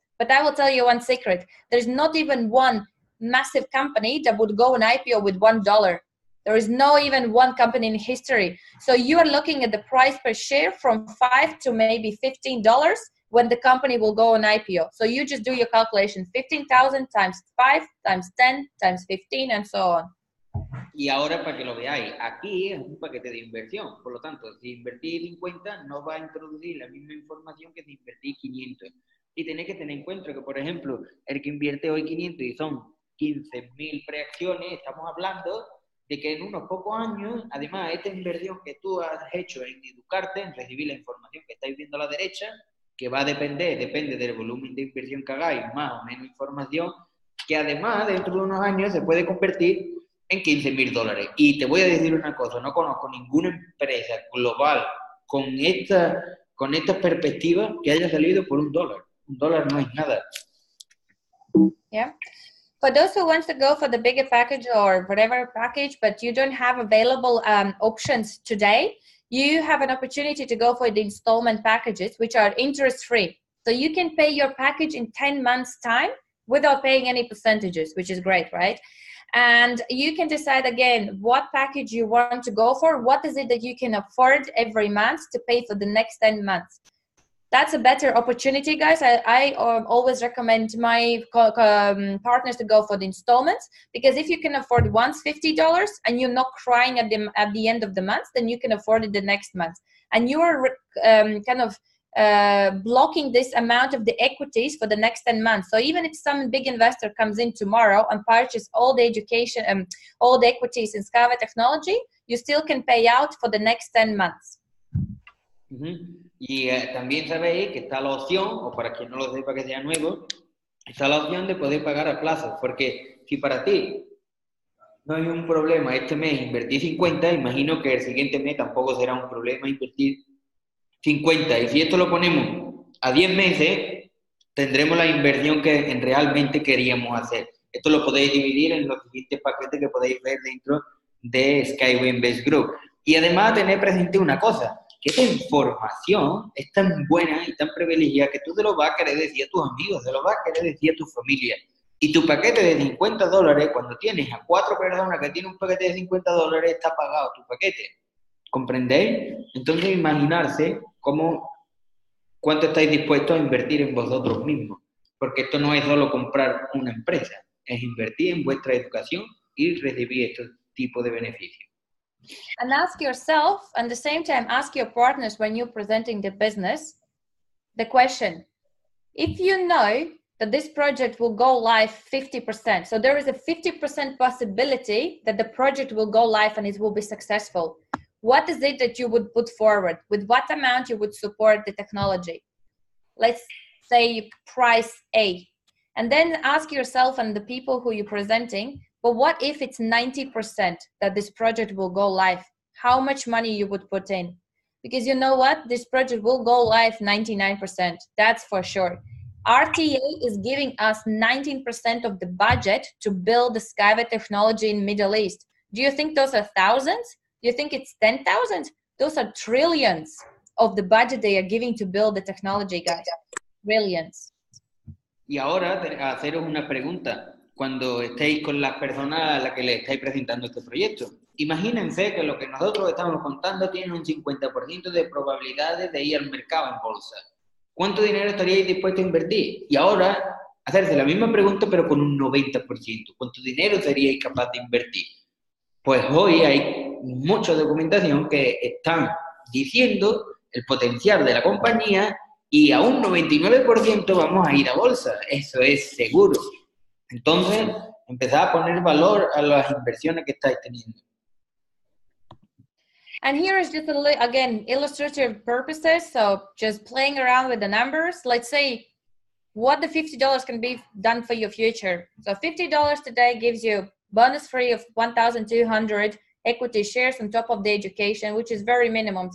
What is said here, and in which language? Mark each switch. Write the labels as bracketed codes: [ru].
[en] But I will tell you one secret. There's not even one massive company that would go on IPO with $1. There is no even one company in history. So you are looking at the price per share from $5 to maybe $15 when the company will go on IPO. So you just do your calculation, 15,000 times 5 times 10 times 15 and so on. [es] Y ahora para que lo veáis, aquí es un paquete de inversión. Por lo tanto, si invertís 50, no va a introducir la misma información que si invertís 500. Y tenéis que tener en cuenta que, por ejemplo, el que invierte hoy 500 y son 15.000 preacciones, estamos hablando de que en unos pocos años, además, esta inversión que tú has hecho en educarte, en recibir la información que estáis viendo a la derecha, que va a depender, depende del volumen de inversión que hagáis, más o menos información, que además, dentro de unos años, se puede convertir en $15,000. Y te voy a decir una cosa, no conozco ninguna empresa global con esta perspectiva que haya salido por un dólar. Un dólar no es nada. Yeah. [en] For those who want to go for the bigger package or whatever package, but you don't have available options today, you have an opportunity to go for the installment packages, which are interest-free. So you can pay your package in 10 months' time without paying any percentages, which is great, right? And you can decide again what package you want to go for, what is it that you can afford every month to pay for the next 10 months. That's a better opportunity, guys. I always recommend my partners to go for the installments, because if you can afford once $50 and you're not crying at the end of the month, then you can afford it the next month. And you are blocking this amount of the equities for the next 10 months. So even if some big investor comes in tomorrow and purchases all the education and all the equities in SkyWay technology, you still can pay out for the next 10 months. Mm-hmm. [es] Y también sabéis que está la opción, o para quien no lo sepa que sea nuevo, está la opción de poder pagar a plazo. Porque si para ti no hay un problema este mes invertir 50, imagino que el siguiente mes tampoco será un problema invertir 50. Y si esto lo ponemos a 10 meses, tendremos la inversión que realmente queríamos hacer. Esto lo podéis dividir en los siguientes paquetes que podéis ver dentro de SkyWay Invest Group. Y además tener presente una cosa. Que esta información es tan buena y tan privilegiada que tú te lo vas a querer decir a tus amigos, te lo vas a querer decir a tu familia. Y tu paquete de $50, cuando tienes a 4 personas que tienen un paquete de $50, está pagado tu paquete. ¿Comprendéis? Entonces, imaginarse cuánto estáis dispuestos a invertir en vosotros mismos. Porque esto no es solo comprar una empresa, es invertir en vuestra educación y recibir este tipo de beneficios. [en] And ask yourself, at the same time, ask your partners when you're presenting the business, the question, if you know that this project will go live 50%, so there is a 50% possibility that the project will go live and it will be successful, what is it that you would put forward? With what amount you would support the technology? Let's say price A. And then ask yourself and the people who you're presenting, but what if it's 90% that this project will go live? How much money you would put in? Because you know what? This project will go live 99%. That's for sure. RTA is giving us 19% of the budget to build the SkyWay technology in Middle East. Do you think those are thousands? Do you think it's 10,000? Those are trillions of the budget they are giving to build the technology, guys. Trillions. [es] Y ahora, haceros una pregunta. Cuando estéis con las personas a las que le estáis presentando este proyecto. Imagínense que lo que nosotros estamos contando tiene un 50% de probabilidades de ir al mercado en bolsa. ¿Cuánto dinero estaríais dispuestos a invertir? Y ahora, hacerse la misma pregunta, pero con un 90%. ¿Cuánto dinero seríais capaz de invertir? Pues hoy hay mucha documentación que están diciendo el potencial de la compañía y a un 99% vamos a ir a bolsa, eso es seguro. Entonces, empezar a poner valor a las inversiones que estáis teniendo. [en] And here is just again illustrative purposes, so just playing around with the numbers. Let's say what the $50 can be done for your future. So $50 today gives you bonus free of 1,200 equity shares on top of the education, which is very minimum.